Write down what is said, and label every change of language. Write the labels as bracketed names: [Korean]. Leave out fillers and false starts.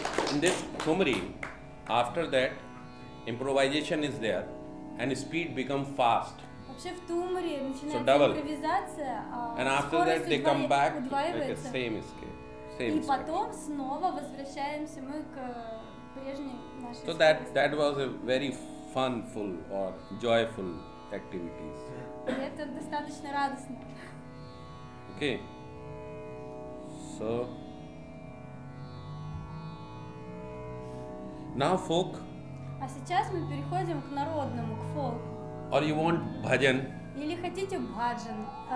[English] In this Тумри, after that, improvisation is there, and speed become fast. [Russian] Вообще в Тумри начинается импровизация, [English] and after that they come back like the same scale. [Russian] И потом снова возвращаемся мы к прежней нашей. [English] So that was a very funful or joyful activities. [Russian] Это достаточно радостно. [English] Okay. So now folk. [Russian] А сейчас мы переходим к народному, к фолк. [English] Or you want bhajan? [Russian] Или хотите bhajan?